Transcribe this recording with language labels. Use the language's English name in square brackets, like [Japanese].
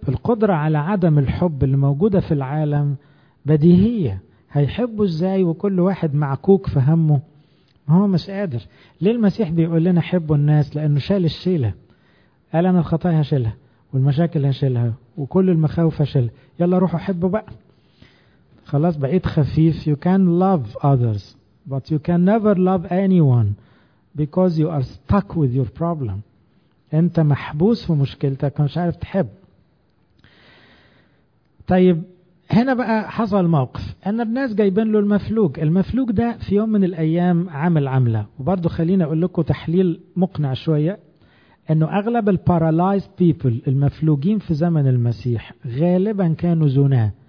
[Arabic] القدرة على عدم الحب اللي موجودة في العالم بديهية، هيحبه ازاي وكل واحد معكوك في همه؟ ما هو مش قادر. ليه المسيح بيقول لنا حبوا الناس؟ لانه شال الشيلة، قال انا الخطايا هشيلها، والمشاكل هشيلها وكل المخاوف هشيلها، يلا روحوا حبوا بقى خلاص بقيت خفيف. [English] You can love others but you can never love anyone because you are stuck with your problem. [Arabic] انت محبوس في مشكلتك مش عارف تحب. طيب هنا بقى حصل موقف ان الناس جايبين له المفلوج. المفلوج ده في يوم من الايام عامل عملة، وبرضو خلينا اقول لكم تحليل مقنع شوية، انه اغلب ال [English] paralyzed people [Arabic] المفلوجين في زمن المسيح غالبا كانوا زناة.